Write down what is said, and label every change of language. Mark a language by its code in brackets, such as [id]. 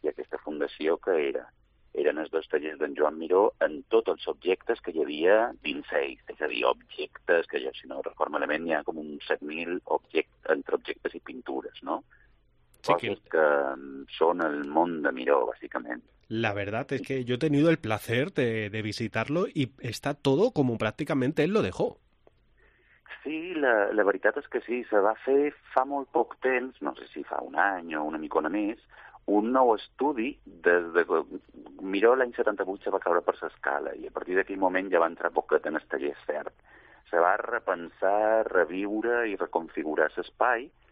[ca] I aquesta fundació que era? Eren els dos tallers d'en Joan Miró en tots els objectes que hi havia dins ells. És a dir, objectes que, jo, si no recordo malament, hi ha com uns 7.000 objectes, entre objectes i pintures, no? Coses que són el món de Miró, bàsicament. [es] La verdad es que yo he tenido el placer de visitarlo y está todo como prácticamente él lo dejó. [ca] Sí, la veritat és que sí, se va fer fa molt poc temps, no sé si fa un any o una mica més, un nou estudi des de Miró l'any 78 se va caure per l'escala i a partir d'aquell moment ja va entrar poquet en el taller, cert. Se va repensar, reviure i reconfigurar l'espai.